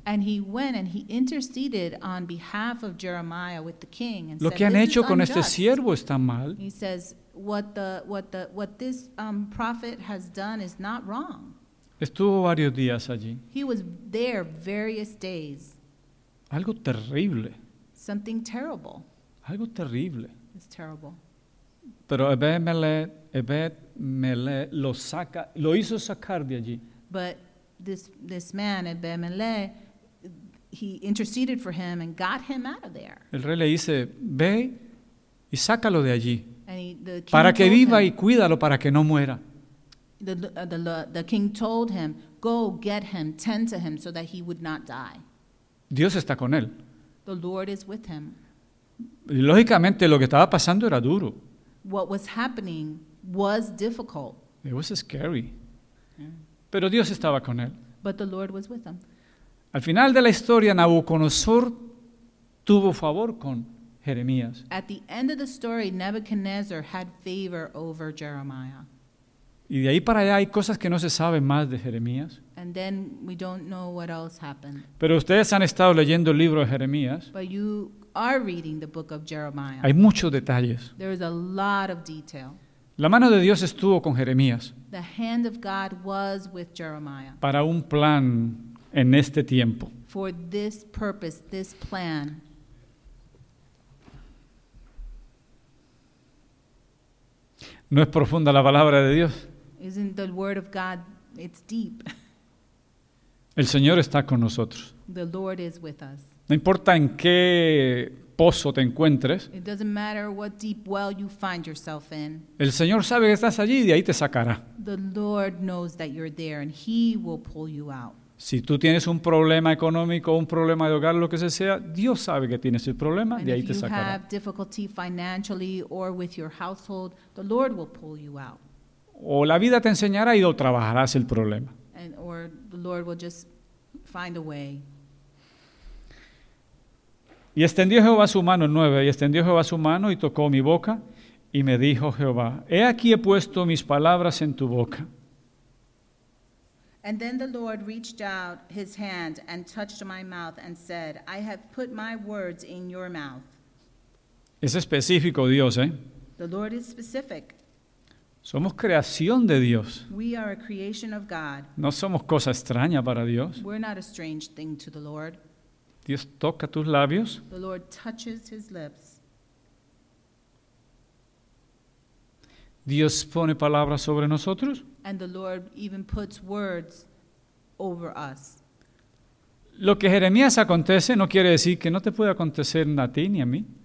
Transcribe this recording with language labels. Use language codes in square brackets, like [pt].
[en] And he went and he interceded on behalf of Jeremiah with the king and said, [es] lo que han hecho con este siervo está mal. [en] He says, what this prophet has done is not wrong. [es] Estuvo varios días allí. [en] He was there various days. [es] Algo terrible. [en] Something terrible. [es] Algo terrible. [en] It's terrible. [es] Pero Ebed-Melech lo saca, lo hizo sacar de allí. [en] But this man, Ebed-Melech, he interceded for him and got him out of there. [es] El rey le dice, ve y sácalo de allí. [en] And [es] para que viva y cuídalo para que no muera. [en] The king told him, go get him, tend to him so that he would not die. [es] Dios está con él. [en] The Lord is with him. [es] Y lógicamente lo que estaba pasando era duro. [en] What was happening was difficult. It was scary. Yeah. [es] Pero Dios estaba con él. [en] But the Lord was with him. [es] Al final de la historia, Nabucodonosor tuvo favor con Jeremías. [en] At the end of the story, Nebuchadnezzar had favor over Jeremiah. [es] Y de ahí para allá hay cosas que no se sabe más de Jeremías. [en] And then we don't know what else happened. [es] Pero ustedes han estado leyendo el libro de Jeremías. [en] But you are reading the book of Jeremiah. [es] Hay muchos detalles. [en] There is a lot of detail. [es] La mano de Dios estuvo con Jeremías. [en] The hand of God was with Jeremiah. [es] Para un plan en este tiempo. [en] For this purpose, this plan. [es] No es profunda la palabra de Dios. [en] Isn't the word of God, it's deep. [es] El Señor está con nosotros. [en] The Lord is with us. [es] No importa en qué pozo te encuentres. [en] It doesn't matter what deep well you find yourself in. [es] El Señor sabe que estás allí y de ahí te sacará. [en] The Lord knows that you're there and he will pull you out. [es] Si tú tienes un problema económico, un problema de hogar, lo que sea, Dios sabe que tienes el problema, [en] and [es] de ahí te sacará. [en] If you have difficulty financially or with your household, the Lord will pull you out. [es] O la vida te enseñará y lo trabajarás el problema. [en] And, or the Lord will just find a way. [es] Y extendió Jehová su mano, el 9, y extendió Jehová su mano y tocó mi boca, y me dijo Jehová, he aquí he puesto mis palabras en tu boca. [en] And then the Lord reached out his hand and touched my mouth and said, I have put my words in your mouth. [es] Es específico Dios, ¿eh? [en] The Lord is specific. [es] Somos creación de Dios. [en] We are a creation of God. [es] No somos cosa extraña para Dios. [en] We're not a strange thing to the Lord. [es] Dios toca tus labios. [en] The Lord touches his lips. [es] Dios pone palabras sobre nosotros. [en] And the Lord even puts words over us. [es] Lo que Jeremías acontece no quiere decir que no te puede acontecer a ti ni a mí.